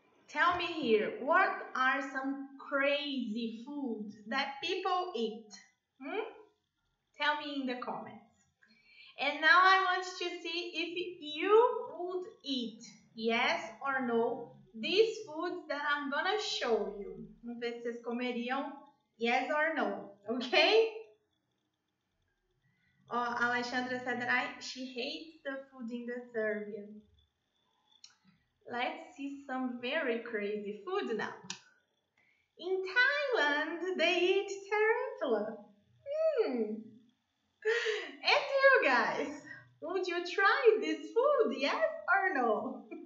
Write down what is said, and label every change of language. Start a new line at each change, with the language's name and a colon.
English: Tell me here, what are some crazy foods that people eat? Tell me in the comments. And now I want to see if you would eat, yes or no, these foods that I'm gonna show you.
Portuguese: Vamos ver se vocês comeriam,
English: yes or no,
Portuguese: okay?
English: Oh, Alexandra said that she hates the food in the Serbian. Let's see some very crazy food now. In Thailand, they eat tarantula. And you guys, would you try this food, yes or no?